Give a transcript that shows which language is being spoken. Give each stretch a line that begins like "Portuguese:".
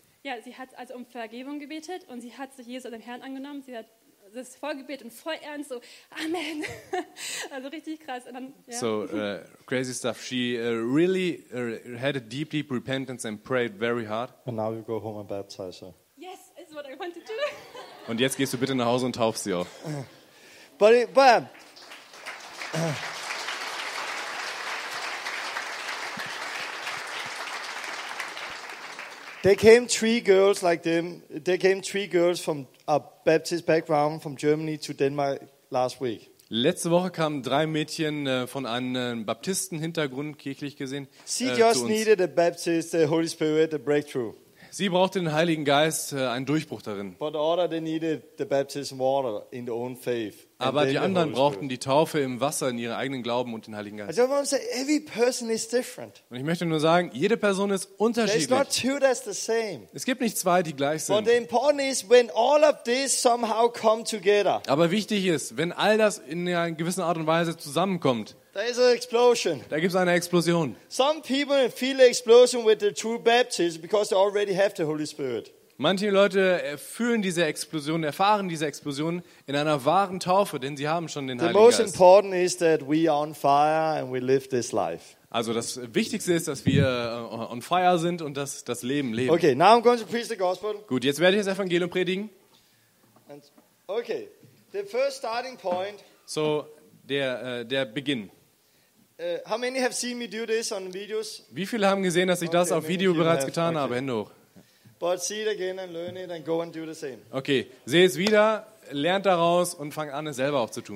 German: Ja, sie hat also um Vergebung gebetet und sie hat sich Jesus als Herrn angenommen. Sie hat das Vorgebet und voll ernst so, Amen. Also richtig krass. Und dann, ja.
English: So, crazy stuff. She really had a deep, deep repentance and prayed very hard. And now you go home and baptize her. Yes, it's what I wanted to do.
German: Und jetzt gehst du bitte nach Hause und taufst sie auf.
English: They came three girls like them. They came three girls from a Baptist background from Germany to Denmark last week.
German: Letzte Woche kamen drei Mädchen von einem Baptisten-Hintergrund, kirchlich gesehen.
English: She just needed a Baptist, the Holy Spirit, a breakthrough.
German: Sie brauchte den Heiligen Geist, einen Durchbruch darin.
English: But other they needed the baptism water in their own faith.
German: Aber die anderen brauchten die Taufe im Wasser in ihrem eigenen Glauben und den Heiligen Geist.
English: I just want to say, every person is different.
German: Und ich möchte nur sagen, jede Person ist unterschiedlich.
English: There's not two that's the same.
German: Es gibt nicht zwei, die gleich sind.
English: But the important is when all of this somehow come together.
German: Aber wichtig ist, wenn all das in einer gewissen Art und Weise zusammenkommt.
English: There is an explosion.
German: Da gibt's eine Explosion.
English: Some people feel the explosion with the true baptism because they already have the Holy Spirit.
German: Manche Leute fühlen diese Explosion, erfahren diese Explosion in einer wahren Taufe, denn sie haben schon den Heiligen Geist.
English: The most important is that we are on fire and we live this life.
German: Also das Wichtigste ist, dass wir on fire sind und dass das Leben leben.
English: Okay, now I'm going to preach the gospel.
German: Gut, jetzt werde ich das Evangelium predigen.
English: And, okay, the first starting point.
German: So der Beginn.
English: How many have seen me do this on videos?
German: Wie viele haben gesehen, dass ich das auf Video bereits getan habe? Hände hoch.
English: But see it again and learn it and go and do the same.
German: Okay, seh es wieder, lernt daraus und fang an, es selber auch zu tun.